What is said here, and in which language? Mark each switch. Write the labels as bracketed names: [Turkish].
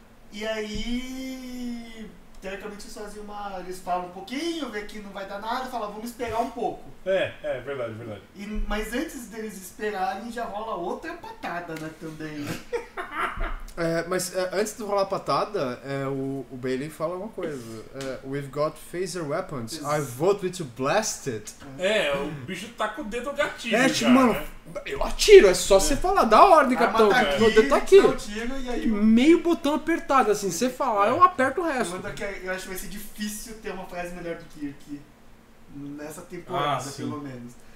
[Portuguese] E aí, teoricamente, eles falam um pouquinho, vê que não vai dar nada. Fala, vamos esperar um pouco. É, verdade. Mas antes deles esperarem, já rola outra patada, né, também. Antes de rolar a patada, o Bailey fala uma coisa. [English] We've got phaser weapons. I vote with you to blast it. [Portuguese] O bicho tá com o dedo gatilho. É, tipo, já, mano, né? Eu atiro, é só você falar. Dá a ordem, capitão. Tá aqui, o dedo tá aqui. Tá tiro, e aí, meio botão apertado, assim. Você falar, eu aperto o resto. Eu acho que vai ser difícil ter uma frase melhor do que aqui. Nessa temporada, pelo menos.